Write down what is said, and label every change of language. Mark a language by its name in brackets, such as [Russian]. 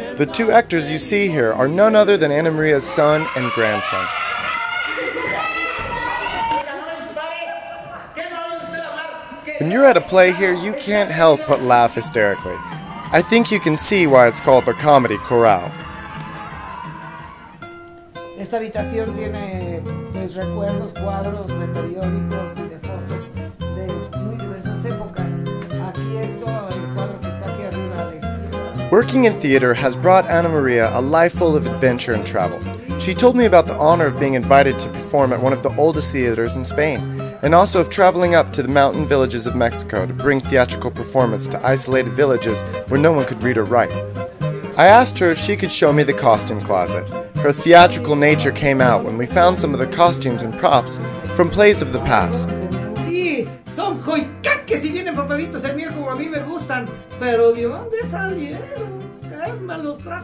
[English] The two actors you see here are none other than Ana Maria's son and grandson. When you're at a play here, you can't help but laugh hysterically. I think you can see why it's called the Comedy Corral. [Spanish] Esta habitación tiene pues recuerdos, cuadros de periódicos y de fotos de muy diversas épocas. Aquí esto, el cuadro que está aquí arriba a la izquierda. [English] Working in theater has brought Ana Maria a life full of adventure and travel. She told me about the honor of being invited to perform at one of the oldest theaters in Spain, and also of traveling up to the mountain villages of Mexico to bring theatrical performance to isolated villages where no one could read or write. I asked her if she could show me the costume closet. Her theatrical nature came out when we found some of the costumes and props from plays of the past. [Spanish] Sí, son joycaques y vienen papelitos el miércoles como a mí me gustan, pero ¿de dónde salieron?